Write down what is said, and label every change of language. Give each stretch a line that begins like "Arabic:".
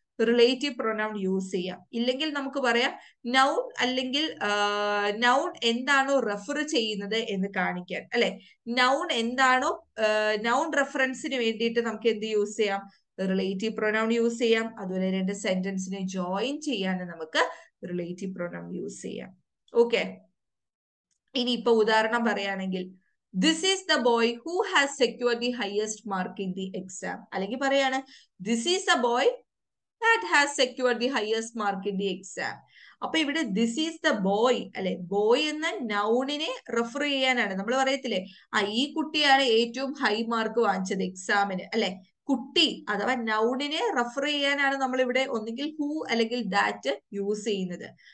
Malayalam: Relative pronoun use ചെയ്യാം. ഇല്ലെങ്കിൽ നമുക്ക് പറയാം നൗൺ അല്ലെങ്കിൽ നൗൺ എന്താണോ റെഫർ ചെയ്യുന്നത് എന്ന് കാണിക്കാൻ അല്ലെ. നൗൺ എന്താണോ നൗൺ റെഫറൻസിന് വേണ്ടിയിട്ട് നമുക്ക് എന്ത് യൂസ് ചെയ്യാം? റിലേറ്റീവ് പ്രൊനൗൺ യൂസ് ചെയ്യാം. അതുപോലെ രണ്ട് സെന്റൻസിനെ ജോയിൻ ചെയ്യാൻ നമുക്ക് റിലേറ്റീവ് പ്രൊനൗൺ യൂസ് ചെയ്യാം. ഓക്കെ, ഇനി ഇപ്പൊ ഉദാഹരണം പറയുകയാണെങ്കിൽ
English: This is the boy who has secured the highest mark in the exam.
Malayalam: അല്ലെങ്കിൽ പറയാണ്
English: This is the boy that has secured the highest mark in the exam.
Malayalam: അപ്പൊ ഇവിടെ
English: this is the boy
Malayalam: അല്ലെ, boy എന്ന നൗണിനെ refer ചെയ്യാനാണ്. നമ്മൾ പറയത്തില്ലേ ആ ഈ കുട്ടിയാണ് ഏറ്റവും ഹൈ മാർക്ക് വാങ്ങിച്ചത് എക്സാമിന് അല്ലെ. കുട്ടി അഥവാ നൗണിനെ റെഫർ ചെയ്യാനാണ് നമ്മൾ ഇവിടെ ഒന്നുകിൽ ഹു അല്ലെങ്കിൽ ദാറ്റ് യൂസ് ചെയ്യുന്നത്.